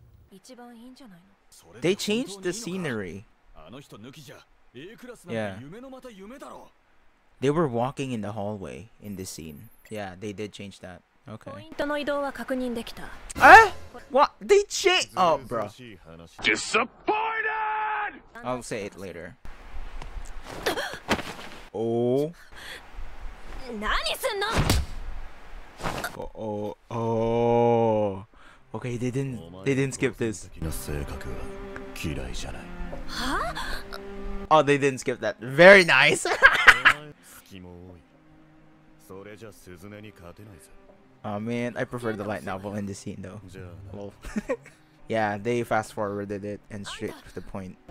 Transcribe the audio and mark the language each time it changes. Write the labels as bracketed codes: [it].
[ja] 一番いいんじゃないの。 [en] They changed the scenery. [ja] あの人抜きじゃ、A クラスなんて夢のまた夢だろ。 [en] They were walking in the hallway in this scene. Yeah, they did change that. Okay. [ja] ポイントの移動は確認できた。 [en] What? They changed? Oh, bro. Disappointed! I'll say it later. Oh. [ja] 何すんの? [en] Oh. Okay, they didn't skip this. [ja] 君の性格は嫌いじゃない。 [en] Oh, they didn't skip that. Very nice. [ja] 隙も多い。それじゃ、スズメに勝てないぞ。 [en] Oh man, I prefer the light novel in this scene though. Well, yeah, they fast forwarded it and straight to the point.